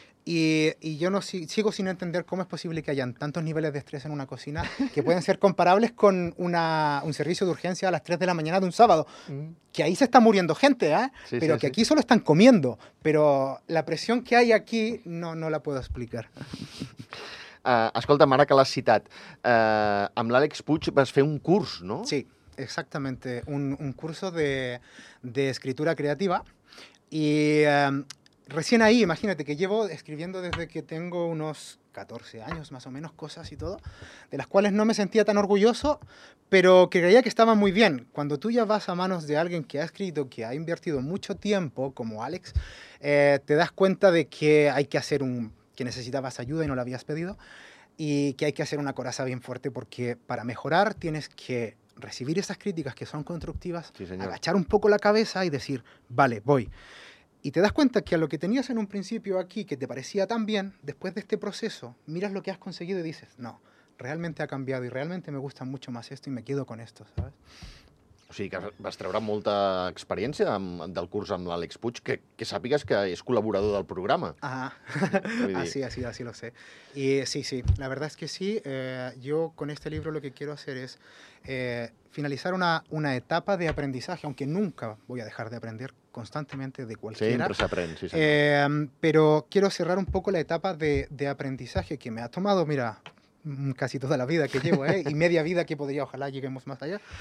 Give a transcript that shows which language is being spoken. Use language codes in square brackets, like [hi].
[es] Y yo no sigo sin entender cómo es posible que hayan tantos niveles de estrés en una cocina que pueden ser comparables con un servicio de urgencia a las 3 de la mañana de un sábado. Que ahí se está muriendo gente, ¿eh? Sí, pero aquí solo están comiendo. Pero la presión que hay aquí no la puedo explicar. [ca] Escolta, ara que l'has citat, amb l'Àlex Puig vas fer un curs, ¿no? [es] Sí, exactamente. Un curso de escritura creativa. Y recién ahí, imagínate que llevo escribiendo desde que tengo unos 14 años más o menos, cosas y todo, de las cuales no me sentía tan orgulloso, pero que creía que estaba muy bien. Cuando tú ya vas a manos de alguien que ha escrito, que ha invertido mucho tiempo, como Alex, te das cuenta de que hay que hacer que necesitabas ayuda y no la habías pedido, y que hay que hacer una coraza bien fuerte, porque para mejorar tienes que recibir esas críticas que son constructivas, sí, señor, agachar un poco la cabeza y decir, vale, voy. Y te das cuenta que a lo que tenías en un principio aquí, que te parecía tan bien, después de este proceso, miras lo que has conseguido y dices, no, realmente ha cambiado y realmente me gusta mucho más esto y me quedo con esto, ¿sabes? [ca] O sigui que vas treure molta experiència del curs amb l'Àlex Puig, que sàpigues que és col·laborador del programa. [es] Ah, sí, lo sé. Y sí, sí, la verdad es que sí. Yo con este libro lo que quiero hacer es finalizar una etapa de aprendizaje, aunque nunca voy a dejar de aprender constantemente de cualquiera. Siempre se aprende, sí, sí. Pero quiero cerrar un poco la etapa de aprendizaje que me ha tomado, mira, casi toda la vida que llevo, y media vida que podría, ojalá lleguemos más allá.